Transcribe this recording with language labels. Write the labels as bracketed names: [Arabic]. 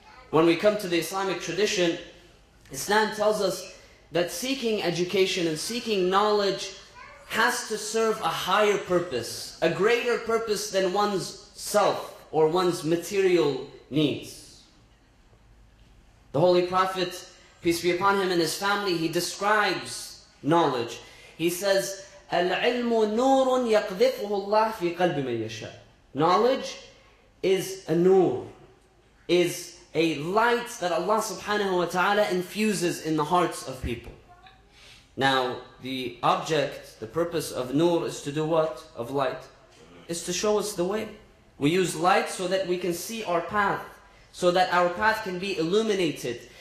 [English] When we come to the Islamic tradition, Islam tells us that seeking education and seeking knowledge has to serve a higher purpose, a greater purpose than one's self or one's material needs. The Holy Prophet, peace be upon him and his family, he describes knowledge. He says, [Arabic] العلم نور يقذفه الله في قلب من يشاء. [English] Knowledge is a nur, is a light that Allah subhanahu wa ta'ala infuses in the hearts of people. Now, the object, the purpose of nur is to do what? Of light. Is to show us the way. We use light so that we can see our path, so that our path can be illuminated.